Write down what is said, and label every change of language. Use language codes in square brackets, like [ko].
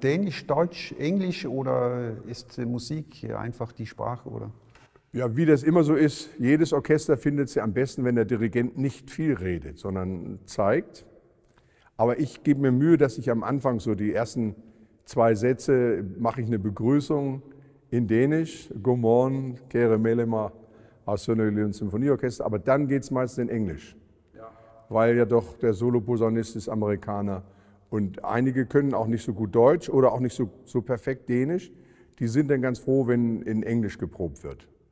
[de] Dänisch, Deutsch, Englisch oder ist Musik einfach die Sprache? Oder? Ja, wie das immer so ist, jedes Orchester findet sie am besten, wenn der Dirigent nicht viel redet, sondern zeigt. Aber ich gebe mir Mühe, dass ich am Anfang so die ersten zwei Sätze, mache ich eine Begrüßung in Dänisch. [da] God morgen, kære medlemmer af Sønderjyllands Symfonieorchester. [de] Aber dann geht es meistens in Englisch. Weil ja doch der Solo-Posaunist ist Amerikaner und einige können auch nicht so gut Deutsch oder auch nicht so perfekt Dänisch. Die sind dann ganz froh, wenn in Englisch geprobt wird.